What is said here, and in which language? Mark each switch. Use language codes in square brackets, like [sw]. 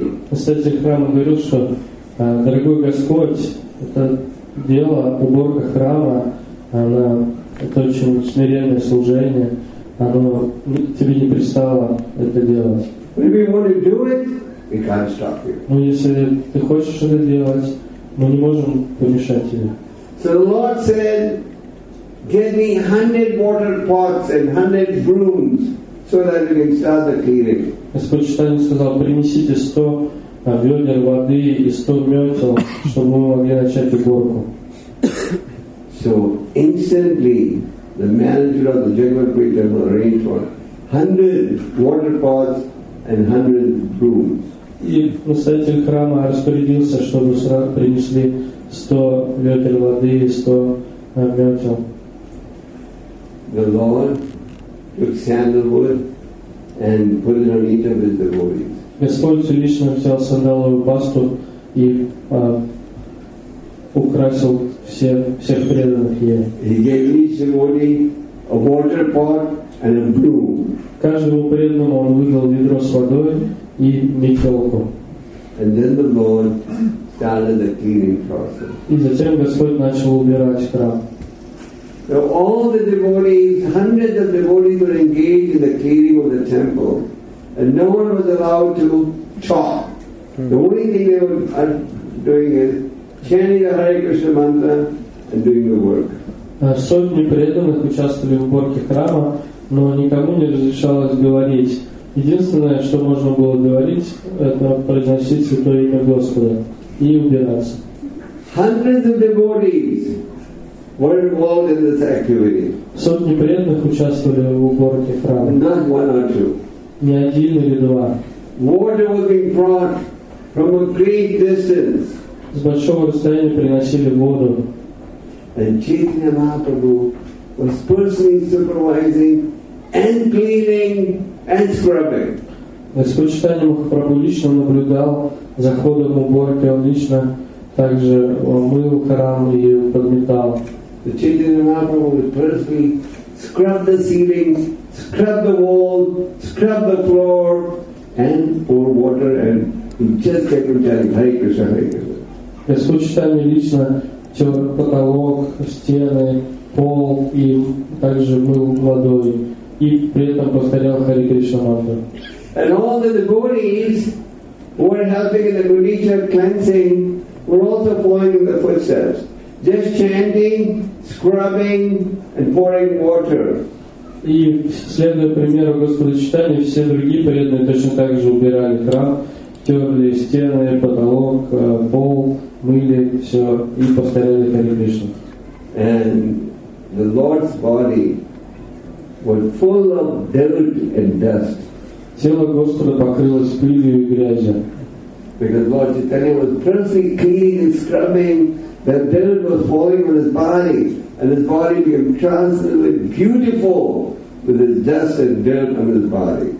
[ru] Настоятель храма говорил, что дорогой Господь, это дело, уборка храма, она, это очень смиренное служение. Оно тебе не пристало это делать. [en] If you want to do it, we can't stop you. [ru] Но если ты хочешь это делать, мы не можем помешать тебе. [en] So the Lord said, get me 100 water pots and 100 brooms so that we can start the cleaning. [ru] Господь Читания сказал, принесите 100 ведер воды и 100 метел, чтобы мы могли начать уборку. [en] So instantly, the manager of the Jagannath Puri Temple arranged for 100 water pots and 100 brooms. [ru] И настоятель храма распорядился, чтобы сразу принесли 100 ведер воды и 100 метел. [en] The Lord took sandalwood and put it on each of his devotees. [ru] Господь лично взял сандаловую басту и украсил всех преданных ей. [en] He gave each devotee a water pot and a broom. [ru] Каждому преданному он выдал ведро с водой и метелку. [en] And then the Lord started the cleaning process. [ru] И затем Господь начал убирать храм. [en] So all the devotees, hundreds of devotees were engaged in the cleaning of the temple, and no one was allowed to chop. The only thing they were doing is chanting the Hare Krishna mantra and doing the work. [ru] Сотни преданных участвовали в уборке храма, но никому не разрешалось говорить. Единственное, что можно было говорить, это произносить святое имя Господа и убираться. [en] Hundreds of devotees were involved in this activity. [ru] Сотни преданных участвовали в уборке храма. [en] Not one or two. [ru] Не один или два. [en] Water was being brought from a great distance. [ru] С большого расстояния приносили воду. [en] And Chaitanya Mahaprabhu was personally supervising and cleaning and scrubbing. [ru] Господь Чайтанья Махапрабху лично наблюдал за ходом уборки, он лично также мыл храм и подметал. [en] The Chaitanya Mahaprabhu would personally scrub the ceilings, scrub the wall, scrub the floor, and pour water, and he just kept on telling Hare Krishna, Hare Krishna. [ru] Господь Читание лично тер потолок, стены, пол и также мыл водой. И при этом повторял Хари Кришна мантру. [en] And all the devotees were helping in the Gudicha cleansing, were also following the footsteps. Just chanting, scrubbing, and pouring water. [ru] И следуя примеру Господа Читания, все другие преданные точно так же убирали храм, терли стены, потолок, пол, мыли все и повторяли Хари Кришну. [en] And the Lord's body was full of dirt and dust. [ru] Тело Господа покрылось пылью и грязью. [en] Because Lord Chaitanya was perfectly clean and scrubbing, the dirt was falling on his body, and his body became transcendently beautiful with his dust and dirt on his body.